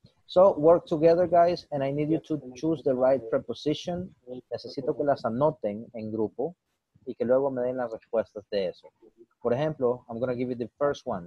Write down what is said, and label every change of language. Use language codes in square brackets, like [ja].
[en] So, work together, guys, and I need you to choose the right preposition. [es] Necesito que las anoten en grupo y que luego me den las respuestas de eso. Por ejemplo, [en] I'm going to give you the first one.